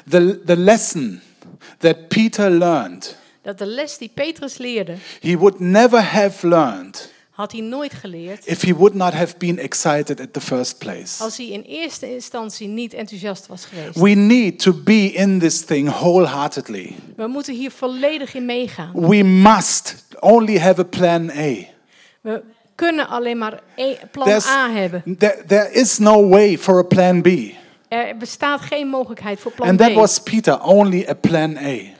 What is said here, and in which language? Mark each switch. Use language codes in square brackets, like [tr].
[en] The lesson that Peter learned. [nl] Dat de les die Petrus leerde. [en] He would never have learned. [nl] Had hij nooit geleerd. [en] If he would not have been excited at the first place. [nl] Als hij in eerste instantie niet enthousiast was geweest. [en] We need to be in this thing wholeheartedly. [nl] We moeten hier volledig in meegaan. [en] We must only have a plan A. [nl] We kunnen alleen maar plan A hebben. [en] There is no way for a plan B. [nl] Er bestaat geen mogelijkheid voor plan [en] And [nl] B. [en] And that was Peter, only a plan A.